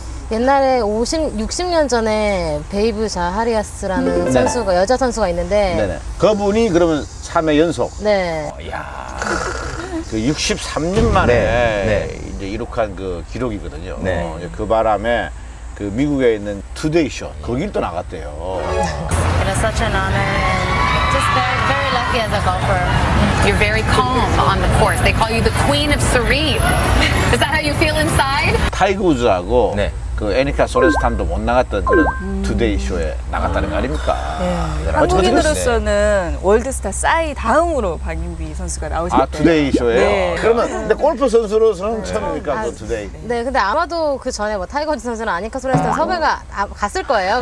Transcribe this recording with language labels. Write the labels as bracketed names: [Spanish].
[Korean] 옛날에 50, 60년 전에 베이브 자하리아스라는 선수가, 여자 선수가 있는데. 네네. 그분이 그러면 3회 연속. 네. 이야. 그 63년 만에 네. 네. 이제 이룩한 그 기록이거든요. 네. 그 바람에 그 미국에 있는 투데이쇼 거길 또 나갔대요. [English] It is such an honor. Just very, very lucky as a golfer. You're very calm on the course. They call you the queen of serene. Is that how you feel inside? [Korean] 타이거 우즈하고 네. 그 애니카 소레스탐도 못 나갔던 그런 투데이 쇼에 나갔다는 거 아닙니까? 네. 한국인으로서는 월드스타 싸이 다음으로 박인비 선수가 나오셨대요. 아, 투데이 쇼에요? 네. 그러면 근데 골프 선수로서는 처음입니까? 네. 그 투데이? 네, 근데 아마도 그 전에 뭐 타이거 우즈 선수나 애니카 소레스탐 섭외가 갔을 거예요.